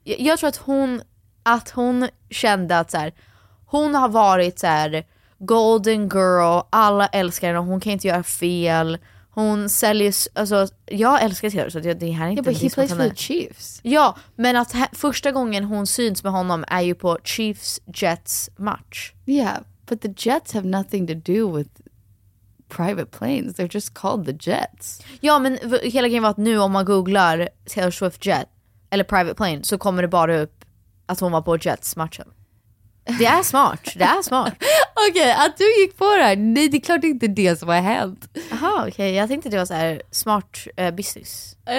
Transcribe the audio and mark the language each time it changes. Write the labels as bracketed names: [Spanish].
[Swedish] Jag tror att hon kände att så här, hon har varit så här golden girl, alla älskar henne, hon kan inte göra fel. Hon säljer, alltså jag älskar Taylor, så det här är inte [English] he plays for the Chiefs. [Swedish] Ja, men att första gången hon syns med honom är ju på Chiefs Jets match. [English] Yeah, but the Jets have nothing to do with private planes. They're just called the Jets. [Swedish] Ja, men hela grejen var att nu om man googlar Taylor Swift Jet eller private plane så kommer det bara upp att hon var på Jets matchen. Det är smart, det är smart. Okej, att du gick på det här. Nej, det är klart inte det som har hänt. Aha, okej, okay. Jag tänkte det var så här smart business.